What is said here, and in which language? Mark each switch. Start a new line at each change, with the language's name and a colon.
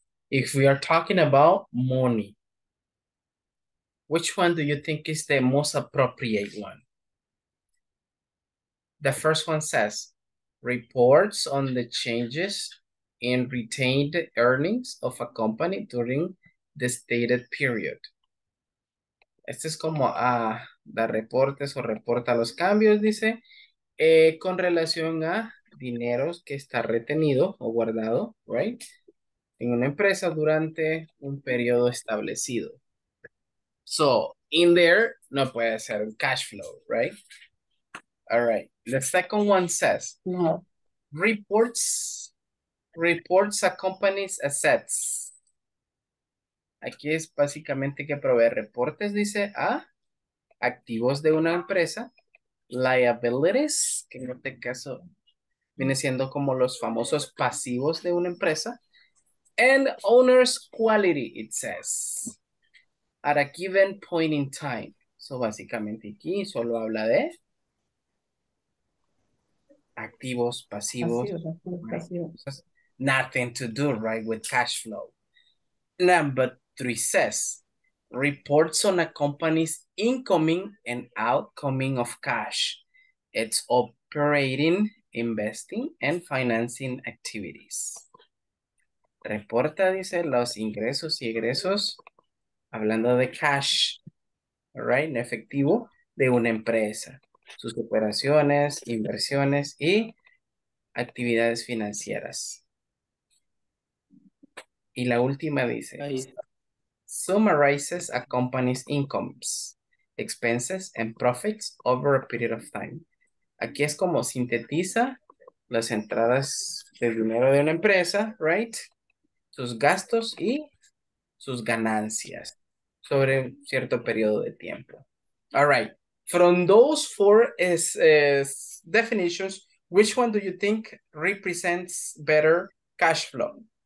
English: If we are talking about money, which one do you think is the most appropriate one? The first one says, reports on the changes in retained earnings of a company during the stated period.
Spanish: Este es como da reportes o reporta los cambios, dice, con relación a dineros que está retenido o guardado, right? En una empresa durante un periodo establecido.
English: So, in there,
Spanish: no puede ser un
English: cash flow, right? All right. The second one says, reports a company's assets.
Spanish: Aquí es básicamente que provee reportes, dice, a activos de una empresa, liabilities, que en este caso viene siendo como los famosos pasivos de una empresa,
English: and owner's quality, it says, at a given point in time.
Spanish: So, básicamente aquí solo habla de activos, pasivos. Pasivos.
English: Nothing to do, right, with cash flow. Number three says, reports on a company's incoming and outcoming of cash, its operating, investing, and financing activities.
Spanish: Reporta, dice, los ingresos y egresos, hablando de cash, all right, en efectivo, de una empresa. sus operaciones, inversiones y actividades financieras. Y la última dice,
English: summarizes a company's incomes, expenses and profits over a period of time.
Spanish: Aquí es como sintetiza las entradas de dinero de una empresa, right? Sus gastos y sus ganancias sobre un cierto periodo de tiempo.
English: All right. From those four definitions, which one do you think represents better cash flow?